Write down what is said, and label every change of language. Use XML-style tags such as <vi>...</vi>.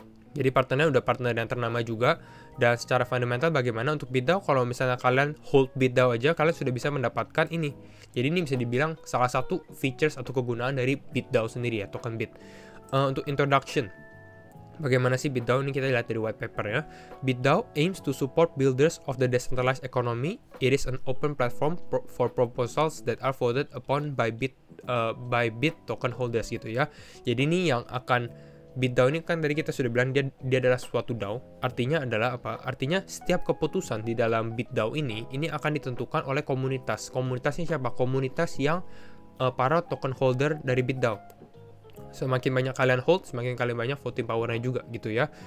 <id>Jadi partnernya udah partner yang ternama juga. Dan secara fundamental bagaimana untuk BitDAO, kalau misalnya kalian hold BitDAO aja, kalian sudah bisa mendapatkan ini. Jadi ini bisa dibilang salah satu features atau kegunaan dari BitDAO sendiri ya, token Bit. Untuk introduction, bagaimana sih BitDAO ini, kita lihat dari white paper ya.</id> <en>BitDAO aims to support builders of the decentralized economy. It is an open platform for proposals that are voted upon by Bit token holders</en> <id>gitu ya. Jadi ini yang akan BitDAO ini, kan tadi kita sudah bilang dia adalah suatu DAO. Artinya adalah apa? Artinya setiap keputusan di dalam BitDAO ini akan ditentukan oleh komunitas. Komunitasnya siapa? Komunitas yang para token holder dari BitDAO. Semakin banyak kalian hold, semakin kalian banyak voting powernya juga gitu ya.</id>